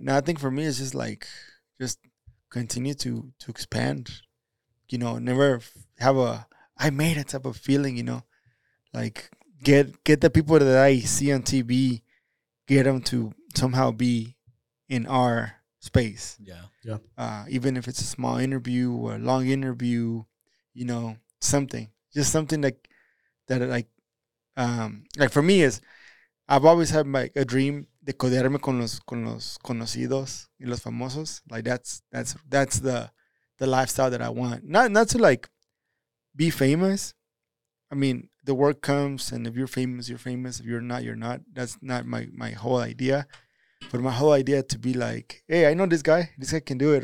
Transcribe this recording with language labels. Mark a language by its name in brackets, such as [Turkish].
[English] Now, I think for me, it's just like, just continue to expand, you know, never have a I made it type of feeling, you know, like get the people that I see on TV, get them to somehow be in our space. Yeah. Even if it's a small interview or a long interview, you know, something, just something that like for me is I've always had a dream. [Spanish] De codearme con los conocidos y los famosos. [English] Like that's the lifestyle that I want. Not to like be famous. I mean, the work comes, and if you're famous, you're famous. If you're not, you're not. That's not my whole idea. But my whole idea to be like, hey, I know this guy can do it.